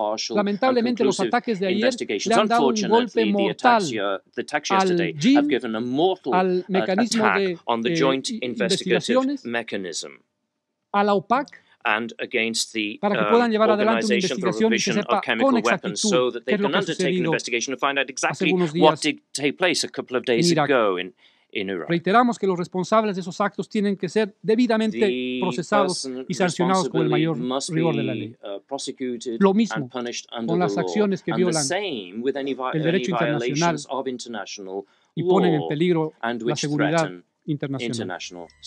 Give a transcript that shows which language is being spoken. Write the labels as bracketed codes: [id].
[es] Lamentablemente, los ataques de ayer le han dado un golpe mortal al GIM, al mecanismo de investigaciones, a la OPAC, [en] and against the [es] para que puedan llevar adelante una investigación y que sepa con exactitud qué es lo que ha sucedido hace unos días [en] what did take place a couple of days ago in, in Iraq. [es] Reiteramos que los responsables de esos actos tienen que ser debidamente procesados y sancionados con el mayor rigor de la ley. Lo mismo con las acciones que violan el derecho internacional y ponen en peligro la seguridad internacional.